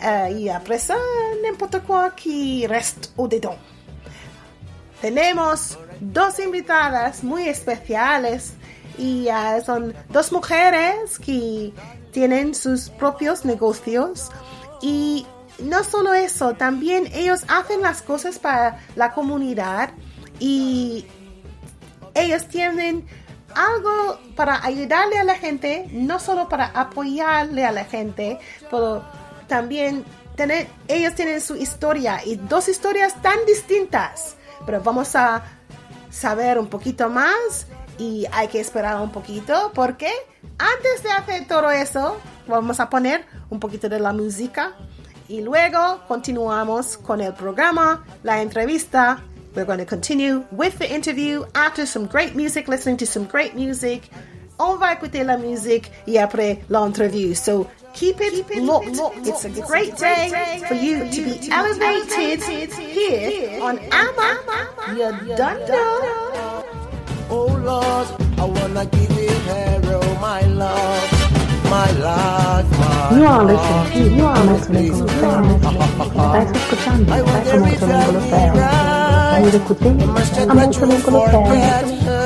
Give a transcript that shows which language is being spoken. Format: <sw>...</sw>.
<fr>Et après ça, n'importe quoi qui reste au-dedans.</fr> <es>Tenemos dos invitadas muy especiales y son dos mujeres que tienen sus propios negocios. Y no solo eso, también ellos hacen las cosas para la comunidad y ellos tienen algo para ayudarle a la gente, no solo para apoyarle a la gente, pero también ellos tienen su historia y dos historias tan distintas. Pero vamos a saber un poquito más y hay que esperar un poquito porque antes de hacer todo eso, vamos a poner un poquito de la música y luego continuamos con el programa, la entrevista.</es> <en>We're going to continue with the interview after some great music, listening to some great music.</en> <fr>On va écouter la musique y après l'entrevue.</fr> <en>So keep it locked. It's a great day for you to be elevated here on AMA. Oh Lord, I wanna give you her all my love. My life, my you are listening to you are listening to the</en>